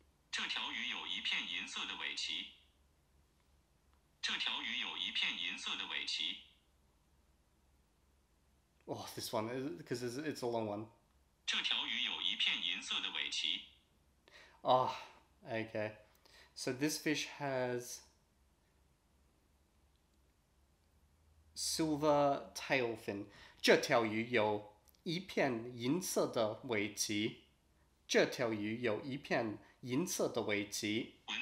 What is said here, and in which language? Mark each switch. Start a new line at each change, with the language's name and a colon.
Chinese: 这条鱼有一片银色的尾鳍.这条鱼有一片银色的尾鳍.
English: Oh, this one, because it's a long one.
Chinese: 这条鱼有一片银色的尾鳍.
English: Oh. Okay, so this fish has silver tail fin.
Chinese: 这条鱼有一片银色的尾鳍。这条鱼有一片银色的尾鳍.